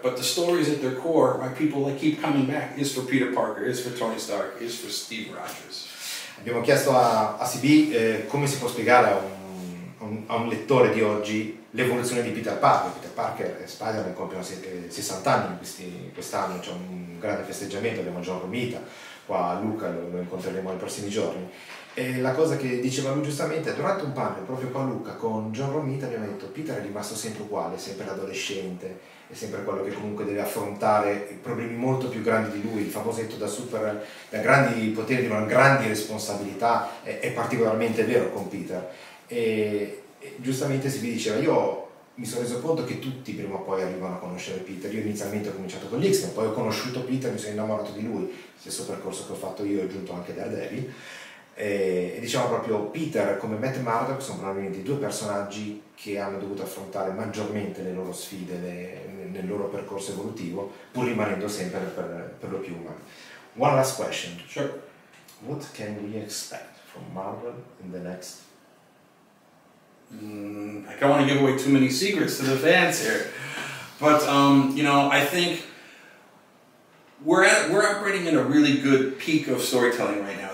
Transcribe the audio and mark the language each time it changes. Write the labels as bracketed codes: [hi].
[en] But the stories at their core, why people like keep coming back, is for Peter Parker, is for Tony Stark, is for Steve Rogers. [it] Abbiamo chiesto a CB come si può spiegare a un lettore di oggi l'evoluzione di Peter Parker. Peter Parker e Spider-Man compiono 60 anni quest'anno, c'è un grande festeggiamento, abbiamo già Romita, qua a Lucca lo incontreremo nei prossimi giorni. E la cosa che diceva lui giustamente, durante un panel proprio qua a Lucca con John Romita abbiamo detto Peter è rimasto sempre uguale, sempre l'adolescente, è sempre quello che comunque deve affrontare problemi molto più grandi di lui, il famosetto da grandi poteri di una grande responsabilità, è particolarmente vero con Peter. E giustamente si diceva, io mi sono reso conto che tutti prima o poi arrivano a conoscere Peter, io inizialmente ho cominciato con l'X-Men, poi ho conosciuto Peter, mi sono innamorato di lui, stesso percorso che ho fatto io, ho aggiunto anche Daredevil. E diciamo proprio Peter come Matt Murdock sono probabilmente due personaggi che hanno dovuto affrontare maggiormente le loro sfide nel loro percorso evolutivo pur rimanendo sempre per lo più umani. [en] One last question. Sure. What can we expect from Marvel in the next? I don't want to give away too many secrets to the fans here, but I think we're operating in a really good peak of storytelling right now.